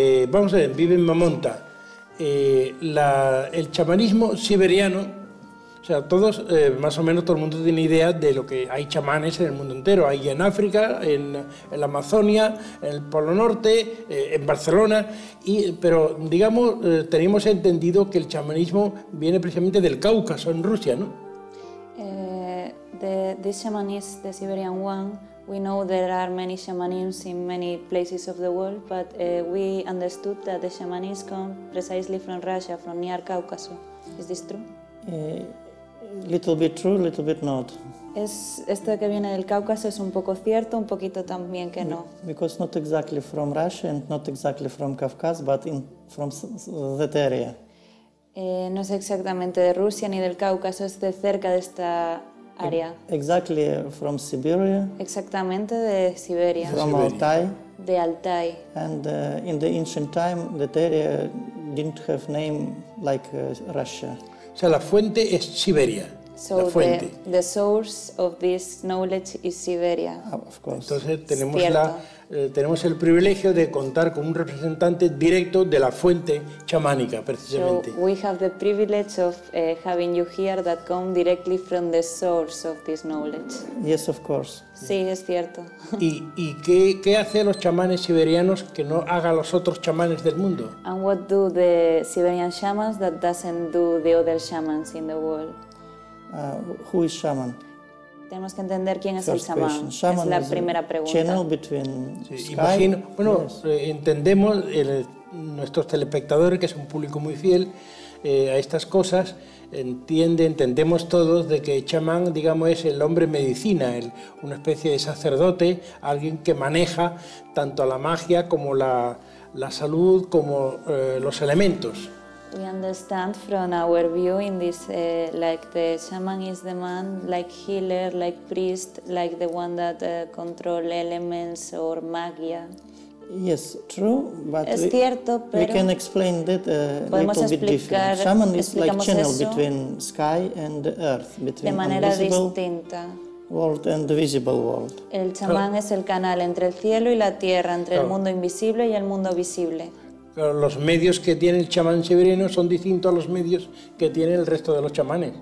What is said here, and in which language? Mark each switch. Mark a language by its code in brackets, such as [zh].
[es] Vamos a ver, Viven Mamonta. El chamanismo siberiano, o sea, todos, más o menos todo el mundo tiene idea de lo que hay chamanes en el mundo entero. Hay en África, en la Amazonia, en el Polo Norte, en Barcelona. Pero, digamos, tenemos entendido que el chamanismo viene precisamente del Cáucaso, en Rusia, ¿no? [en] The shamanists, the Siberian one, we know there are many shamanisms in many places of the world, but we understood that the shamanists come precisely from Russia, from near Caucaso. Is this true? Little bit true, little bit not. [es] Es esto que viene del Cáucaso es un poco cierto, un poquito también que no. [en] Because not exactly from Russia and not exactly from Kavkaz, but from that area. [es] No es exactamente de Rusia ni del Cáucaso, es de cerca de esta área. [en] Exactly from Siberia. [es] Exactamente de Siberia. [en] From Siberia. Altai. [es] De Altai. [en] And in the ancient time, that area didn't have name like Russia. [es] O sea, la fuente es Siberia. [en] So [es] la fuente. [en] The source of this knowledge is Siberia. Of course. [es] Entonces tenemos el privilegio de contar con un representante directo de la fuente chamánica, precisamente. [en] So we have the privilege of having you here that come directly from the source of this knowledge. Yes, of course. [es] Sí, es cierto. ¿Y qué hace los chamanes siberianos que no haga los otros chamanes del mundo? [en] And what do the Siberian shamans that doesn't do the other shamans in the world? Who is shaman? [es] Tenemos que entender quién [en] First [es] es el shaman. [en] Shaman [es] es la primera pregunta. [en] Channel between sí, sky. [es] Imagino, bueno, yes. Entendemos nuestros telespectadores, que es un público muy fiel a estas cosas. Entendemos todos de que chamán, digamos, es el hombre medicina, una especie de sacerdote, alguien que maneja tanto la magia como la salud, como los elementos. [en] We understand from our view in this, like the shaman is the man, like healer, like priest, like the one that control elements or magia. Yes, true, but [es] es cierto, pero [en] we can explain that a little bit different. Shaman is like channel between sky and earth, between [es] de manera distinta. [en] World and the visible world. [es] El chamán es el canal entre el cielo y la tierra, entre el mundo invisible y el mundo visible. Pero los medios que tiene el chamán siberiano son distintos a los medios que tiene el resto de los chamanes.